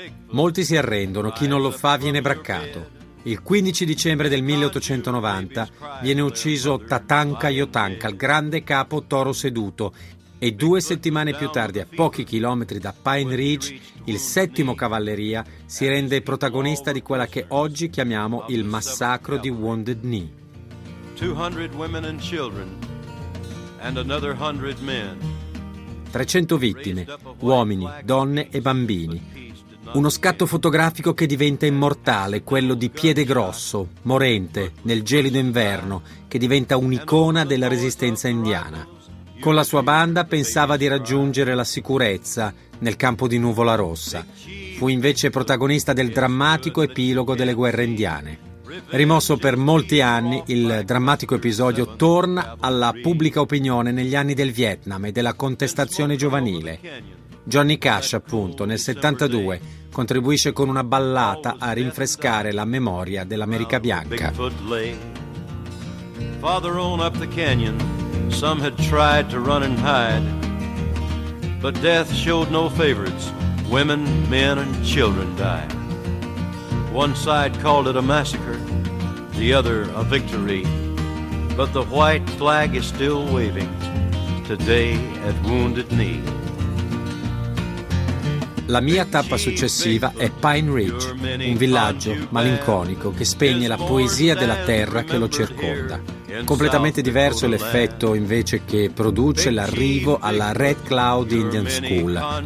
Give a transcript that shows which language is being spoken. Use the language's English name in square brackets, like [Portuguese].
[Italian] Molti si arrendono, chi non lo fa viene braccato. Il 15 dicembre del 1890 viene ucciso Tatanka Yotanka, il grande capo toro seduto, e 2 settimane più tardi, a pochi chilometri da Pine Ridge, il 7° Cavalleria si rende protagonista di quella che oggi chiamiamo il massacro di Wounded Knee. [English] 200 women and children and another 100 men. [Italian] 300 vittime, uomini, donne e bambini. Uno scatto fotografico che diventa immortale, quello di Piede Grosso, morente, nel gelido inverno, che diventa un'icona della resistenza indiana. Con la sua banda pensava di raggiungere la sicurezza nel campo di Nuvola Rossa. Fu invece protagonista del drammatico epilogo delle guerre indiane. Rimosso per molti anni, il drammatico episodio torna alla pubblica opinione negli anni del Vietnam e della contestazione giovanile. Johnny Cash, appunto, nel 72, contribuisce con una ballata a rinfrescare la memoria dell'America bianca. [English] Bigfoot lay farther on up the canyon. Some had tried to run and hide, but death showed no favorites. Women, men and children died. One side called it a massacre, the other a victory, but the white flag is still waving today at Wounded Knee. [Italian] La mia tappa successiva è Pine Ridge, un villaggio malinconico che spegne la poesia della terra che lo circonda. Completamente diverso l'effetto invece che produce l'arrivo alla Red Cloud Indian School.